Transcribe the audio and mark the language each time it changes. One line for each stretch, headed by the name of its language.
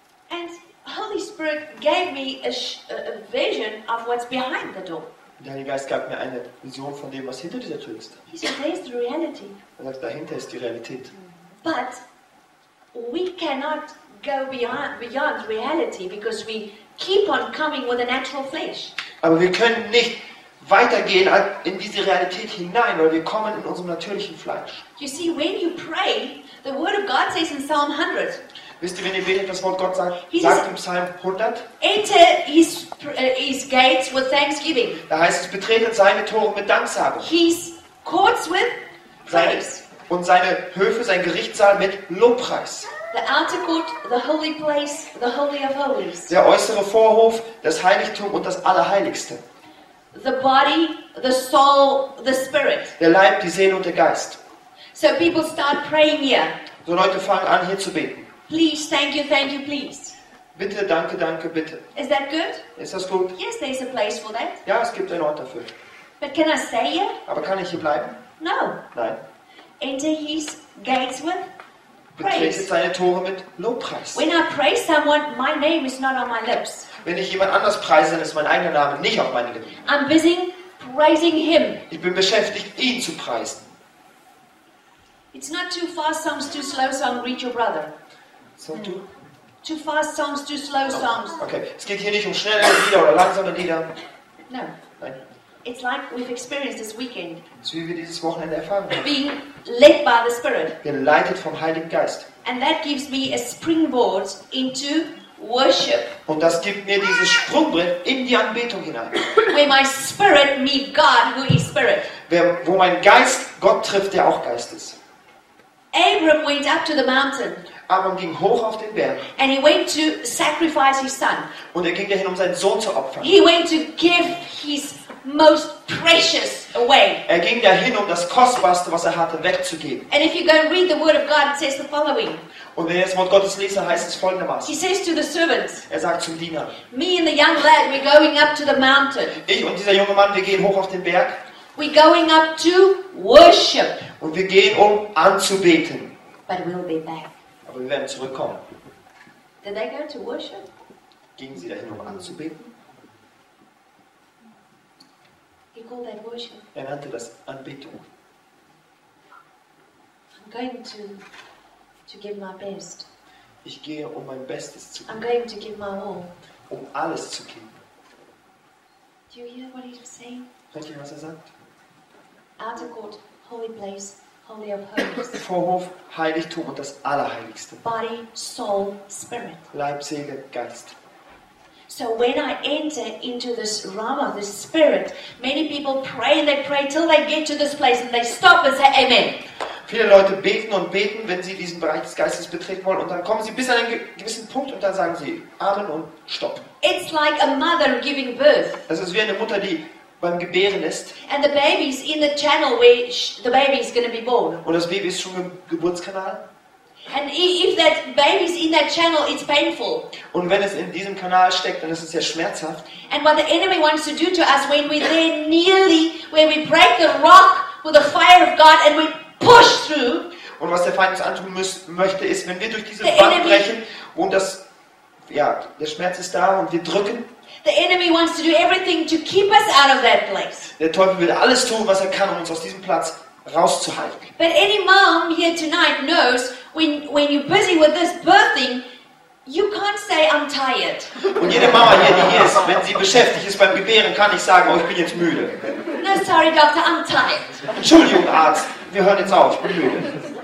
English: And Holy Spirit gave me a vision of what's behind the door.
German: Der Heilige Geist gab mir eine Vision von dem, was hinter dieser Tür ist.
English: He said, "There's the reality."
German: Er sagt, dahinter ist die Realität.
English: But we cannot go beyond reality because we keep on coming with a natural flesh.
German: Aber wir können nicht weitergehen in diese Realität hinein, weil wir kommen in unserem natürlichen Fleisch.
English: You see, when you pray, the Word of God says in Psalm 100.
German: Wisst ihr, wenn ihr betet, das Wort Gott sagt, sagt im Psalm 100,
English: enter his gates with thanksgiving.
German: Da heißt es, betretet seine Tore mit Danksagung.
English: His courts with praise.
German: Und seine Höfe, sein Gerichtssaal mit Lobpreis.
English: The outer court, the holy place, the holy of holies.
German: Der äußere Vorhof, das Heiligtum und das Allerheiligste.
English: The body, the soul, the spirit.
German: Der Leib, die Seele und der Geist.
English: So people start praying here.
German: So Leute fangen an, hier zu beten.
English: Please, thank you, please.
German: Bitte, danke, danke, bitte.
English: Is that good?
German: Ist das gut?
English: Yes, there's a place for that.
German: Ja, es gibt einen Ort dafür.
English: But can I stay here?
German: Aber kann ich hier bleiben?
English: No.
German: Nein.
English: Enter his gates with praise.
German: Betrete seine Tore mit Lobpreis.
English: When I praise someone, my name is not on my lips.
German: Wenn ich jemand anders preise, dann ist mein eigener Name nicht auf meinen Lippen.
English: I'm busy praising him.
German: Ich bin beschäftigt, ihn zu preisen.
English: It's not too fast, songs too slow, so I'm reach your brother. Too fast songs, too slow songs.
German: Okay, es geht hier nicht um schnelle Lieder oder langsame Lieder.
English: No.
German: Nein.
English: It's like we've experienced this weekend.
German: So wie wir dieses Wochenende erfahren haben.
English: Being led by the Spirit.
German: Geleitet vom Heiligen Geist.
English: And that gives me a springboard into worship.
German: Und das gibt mir dieses Sprungbrett in die Anbetung hinein.
English: Where my spirit meet God, who is spirit.
German: Wo mein Geist Gott trifft, der auch Geist ist.
English: Abram went up to the mountain.
German: Abraham ging hoch auf den Berg.
English: And he went to sacrifice his son.
German: Und er ging dahin, um seinen Sohn zu opfern.
English: He went to give his most precious away.
German: Er ging dahin, um das Kostbarste, was er hatte, wegzugeben.
English: And if you go and read the Word of God, it says the following.
German: Und wenn ihr das Wort Gottes lest, heißt es folgendermaßen.
English: He says to the servants.
German: Er sagt zum Diener.
English: Me and the young lad, we're going up to the mountain.
German: Ich und dieser junge Mann, wir gehen hoch auf den Berg.
English: We're going up to worship.
German: Und wir gehen, um anzubeten.
English: But we'll be back.
German: Aber wir werden zurückkommen.
English: Did they go to worship?
German: Gingen sie dahin, um anzubeten?
English: He called that worship.
German: Er nannte das Anbetung.
English: I'm going to give my best.
German: Ich gehe, um mein Bestes zu geben.
English: I'm going to give my all.
German: Um alles zu geben.
English: Do you hear what he's saying?
German: Hört ihr, was er sagt?
English: Outer court, holy place. Holy of
German: Vorhof, Heiligtum und das Allerheiligste.
English: Body, soul, spirit.
German: Leib, Seele, Geist.
English: So when I enter into this realm of the spirit, many people pray and they pray till they get to this place and they stop and say amen.
German: Viele Leute beten und beten, wenn sie diesen Bereich des Geistes betreten wollen, und dann kommen sie bis an einen gewissen Punkt und dann sagen sie amen und stopp.
English: It's like a mother giving birth.
German: Es ist wie eine Mutter, die beim Gebären ist.
English: And the baby's in the channel where the baby is going to be born.
German: Und das Baby ist schon im Geburtskanal.
English: And if that baby's in that channel, it's painful.
German: Und wenn es in diesem Kanal steckt, dann ist es sehr schmerzhaft.
English: And what the enemy wants to do to us when we're there nearly, when we break the rock with the fire of God and we push through.
German: Und was der Feind uns antun möchte, ist, wenn wir durch diese Wand brechen und das, ja, der Schmerz ist da und wir drücken.
English: The enemy wants to do everything to keep us out of that place.
German: Der Teufel will alles tun, was er kann, um uns aus diesem Platz rauszuhalten.
English: But any mom here tonight knows when you're busy with this birthing, You can't say I'm tired.
German: Und jede Mama hier, die hier ist, wenn sie beschäftigt ist beim Gebären, kann ich sagen, oh, ich bin jetzt müde.
English: No, sorry, doctor, I'm tired.
German: Entschuldigung, Arzt, wir hören jetzt auf, ich bin müde.